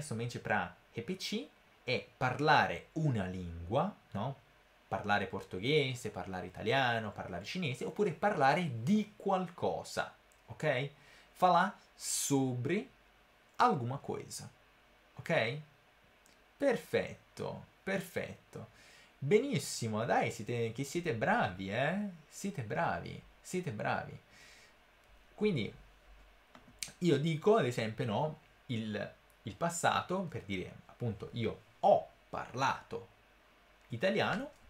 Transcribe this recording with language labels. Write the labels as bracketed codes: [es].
[pt] Somente para repetir, é [it] parlare una lingua, no? Parlare portoghese, parlare italiano, parlare cinese, oppure parlare di qualcosa, ok? [pt] Falar sobre alguma coisa, ok? [it] Perfetto, perfetto. Benissimo, dai, che siete bravi, eh? Siete bravi, siete bravi. Quindi, io dico, ad esempio, no, il passato, per dire, appunto, io ho parlato italiano.